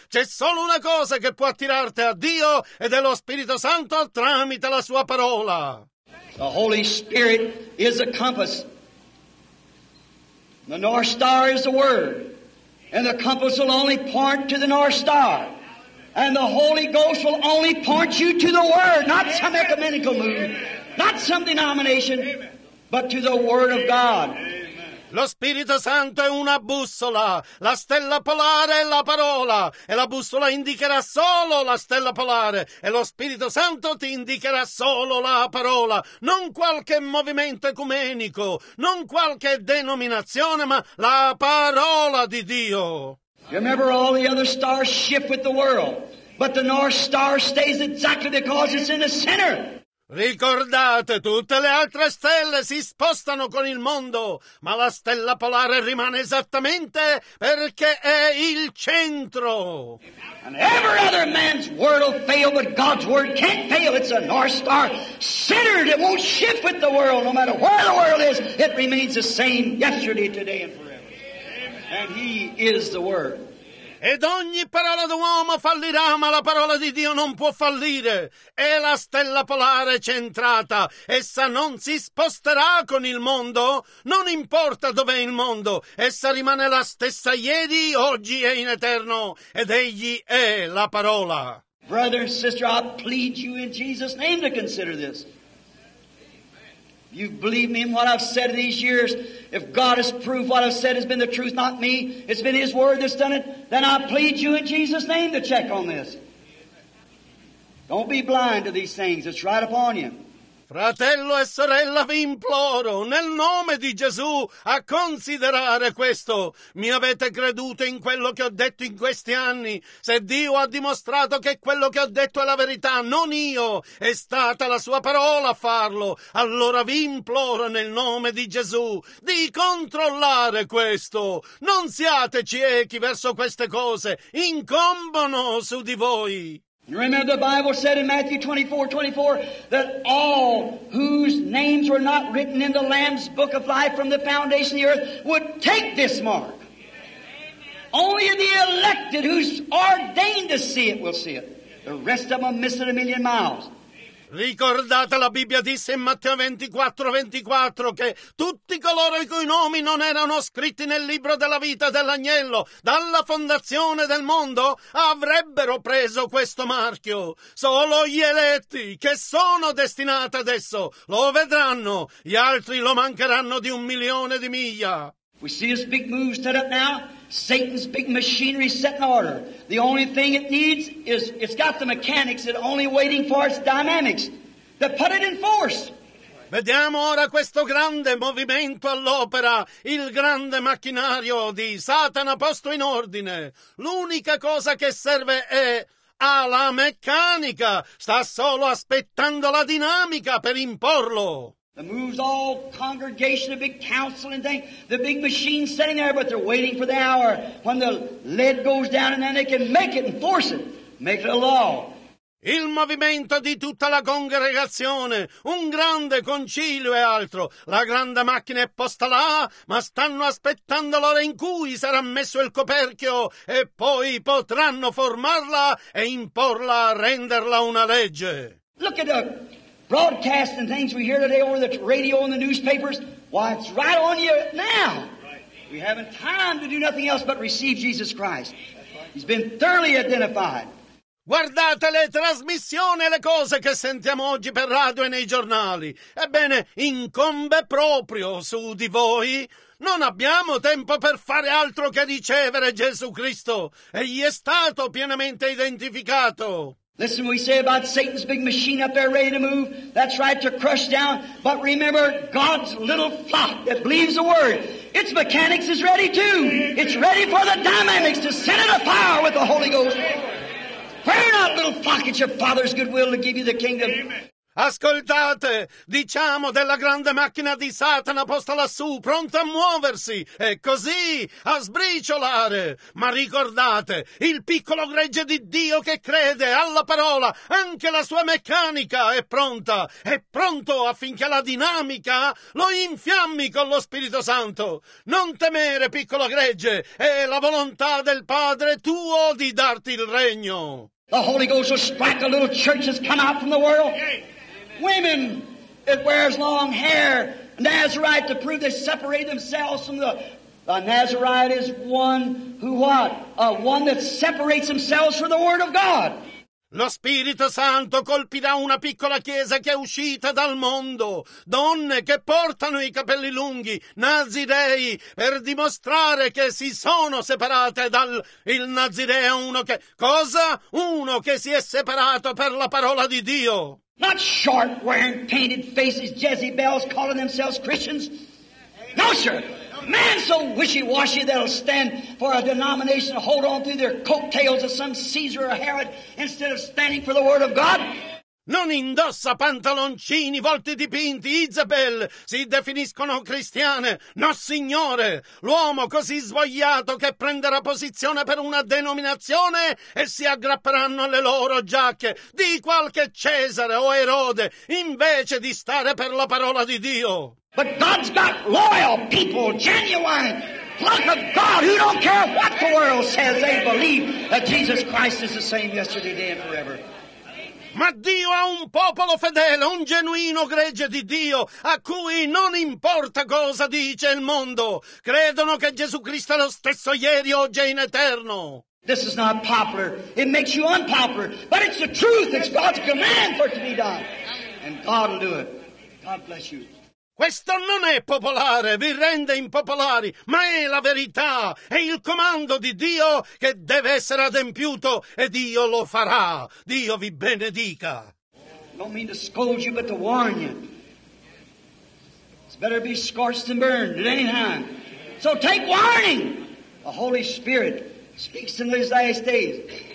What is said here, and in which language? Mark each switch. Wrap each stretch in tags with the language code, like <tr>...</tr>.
<it>C'è solo una cosa che può attirarti a Dio, ed è lo Spirito Santo tramite la Sua parola.</it> <en>The Holy Spirit is a compass. The North Star is the Word, and the compass will only point to the North Star, and the Holy Ghost will only point you to the Word, not some ecumenical movement, not some denomination, but to the Word of God.</en> <it>Lo Spirito Santo è una bussola, la stella polare è la parola, e la bussola indicherà solo la stella polare, e lo Spirito Santo ti indicherà solo la parola, non qualche movimento ecumenico, non qualche denominazione, ma la parola di Dio.</it> <en>You remember all the other stars shift with the world, but the North Star stays exactly because it's in the center.</en> <it>Ricordate, tutte le altre stelle si spostano con il mondo, ma la stella polare rimane esattamente perché è il centro.</it> <en>And every other man's word will fail, but God's word can't fail. It's a North Star centered. It won't shift with the world. No matter where the world is, it remains the same yesterday, today, and forever. And He is the Word.</en> <it>Ed ogni parola d'uomo fallirà, ma la parola di Dio non può fallire. È la stella polare centrata. Essa non si sposterà con il mondo. Non importa dov'è il mondo. Essa rimane la stessa ieri, oggi e in eterno. Ed egli è la parola.</it> <en>Brother and sister, I plead you in Jesus' name to consider this. You believe me in what I've said these years. If God has proved what I've said has been the truth, not me, it's been His Word that's done it, then I plead you in Jesus' name to check on this. Don't be blind to these things. It's right upon you.</en> <it>fratello e sorella, vi imploro nel nome di Gesù a considerare questo. Mi avete creduto in quello che ho detto in questi anni? Se Dio ha dimostrato che quello che ho detto è la verità, non io, è stata la sua parola a farlo, allora vi imploro nel nome di Gesù di controllare questo. Non siate ciechi verso queste cose, incombono su di voi.</it> <en>You remember the Bible said in Matthew 24:24 that all whose names were not written in the Lamb's book of life from the foundation of the earth would take this mark. Amen. Only the elected who's ordained to see it will see it. The rest of them miss it a million miles.</en> <it>Ricordate, la Bibbia disse in Matteo 24:24 che tutti coloro i cui nomi non erano scritti nel libro della vita dell'agnello dalla fondazione del mondo avrebbero preso questo marchio. Solo gli eletti che sono destinati adesso lo vedranno, gli altri lo mancheranno di un milione di miglia.</it> <en>We see this big move set up now. Satan's big machinery set in order. The only thing it needs is, it's got the mechanics, it's only waiting for its dynamics to put it in force.</en> <it>Vediamo ora questo grande movimento all'opera, il grande macchinario di Satana posto in ordine. L'unica cosa che serve è alla meccanica. Sta solo aspettando la dinamica per imporlo.</it> <en>The moves all congregation, a big council and thing, the big machine sitting there, but they're waiting for the hour when the lead goes down and then they can make it and force it, make it a law.</en> <it>Il movimento di tutta la congregazione, un grande concilio e altro. La grande macchina è posta là, ma stanno aspettando l'ora in cui sarà messo il coperchio e poi potranno formarla e imporla, renderla una legge.</it> <en>Look at the broadcast and things we hear today over the radio and the newspapers, why, it's right on you now. We haven't time to do nothing else but receive Jesus Christ. He's been thoroughly identified.</en> <it>Guardate le trasmissioni e le cose che sentiamo oggi per radio e nei giornali. Ebbene, incombe proprio su di voi. Non abbiamo tempo per fare altro che ricevere Gesù Cristo. Egli è stato pienamente identificato.</it> <en>Listen, we say about Satan's big machine up there ready to move. That's right, to crush down. But remember, God's little flock that believes the word, its mechanics is ready too. It's ready for the dynamics to set it afire with the Holy Ghost. Pray not, little flock, it's your Father's goodwill to give you the kingdom.</en> <it>Ascoltate, diciamo della grande macchina di Satana posta lassù, pronta a muoversi, e così a sbriciolare. Ma ricordate, il piccolo gregge di Dio che crede alla parola, anche la sua meccanica è pronta, è pronto affinché la dinamica lo infiammi con lo Spirito Santo. Non temere, piccolo gregge, è la volontà del Padre tuo di darti il regno.</it> <en>The Holy Ghost will strike a little church that's come out from the world. Women that wears long hair, Nazarite, to prove they separate themselves from the Nazarite is one who what? One that separates themselves from the Word of God.</en> <it>Lo Spirito Santo colpirà una piccola chiesa che è uscita dal mondo, donne che portano i capelli lunghi, nazirei, per dimostrare che si sono separate dal il nazireo, uno che cosa? Uno che si è separato per la parola di Dio.</it> <en>Not short, wearing painted faces, Jezebels, calling themselves Christians. No, sir. Man so wishy-washy that'll stand for a denomination to hold on through their coattails of some Caesar or Herod instead of standing for the Word of God.</en> <it>Non indossa pantaloncini, volti dipinti, Isabel, si definiscono cristiane. No, signore, l'uomo così svogliato che prenderà posizione per una denominazione e si aggrapperanno alle loro giacche di qualche Cesare o Erode, invece di stare per la parola di Dio.</it> <en>But God's got loyal people, genuine flock of God who don't care what the world says, they believe that Jesus Christ is the same yesterday, today, and forever.</en> <it>Ma Dio ha un popolo fedele, un genuino gregge di Dio, a cui non importa cosa dice il mondo. Credono che Gesù Cristo è lo stesso ieri, oggi e in eterno.</it> <en>This is not popular. It makes you unpopular. But it's the truth. It's God's command for it to be done. And God will do it. God bless you.</en> <it>Questo non è popolare, vi rende impopolari, ma è la verità, è il comando di Dio che deve essere adempiuto, e Dio lo farà. Dio vi benedica.</it> <en>don't mean to scold you, but to warn you. It's better to be scorched than burned at any time. So take warning. The Holy Spirit speaks in these last days.</en>